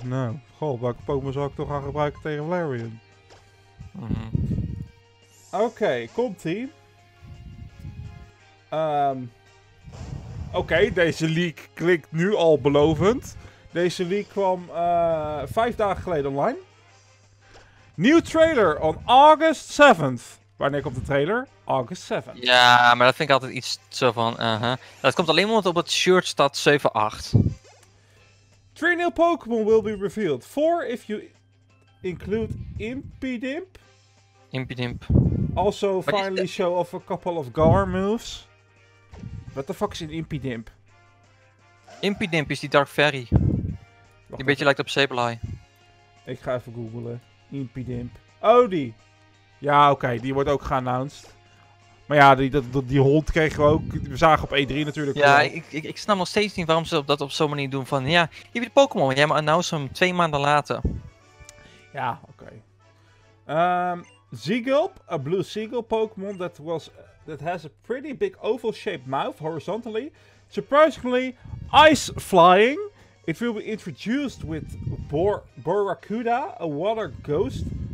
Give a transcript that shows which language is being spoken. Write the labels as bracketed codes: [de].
[nl] Nou, goh, welke Pokémon zou ik toch gaan gebruiken tegen Flareon? Mm-hmm. Oké, komt-ie. Oké, deze leak klinkt nu al belovend. Deze leak kwam 5 dagen geleden online. [en] Nieuw trailer on August 7th. [nl] Wanneer komt de trailer? [en] August 7th. [nl] Ja, maar dat vind ik altijd iets zo van... Dat komt alleen omdat op het shirt staat 7-8. [en] 3 new Pokémon will be revealed. 4 if you include Impidimp. Impidimp. Also finally show off a couple of Gar moves. What the fuck is een Impidimp? [nl] Impidimp is die Dark Fairy. Die een beetje lijkt op Sableye. Ik ga even googlen. Impidimp. Oh, die. Ja, oké, die wordt ook geannounced. Maar ja, die hond kregen we ook. We zagen op E3 natuurlijk. Ja, ik snap nog steeds niet waarom ze dat op zo'n manier doen. Van ja, je hebt Pokémon, jij maar announce hem 2 maanden later. Ja, oké. [en] Seagulp, a blue seagull Pokémon that has a pretty big oval-shaped mouth horizontally. Surprisingly, ice flying. It will be introduced with Boracuda, a water ghost.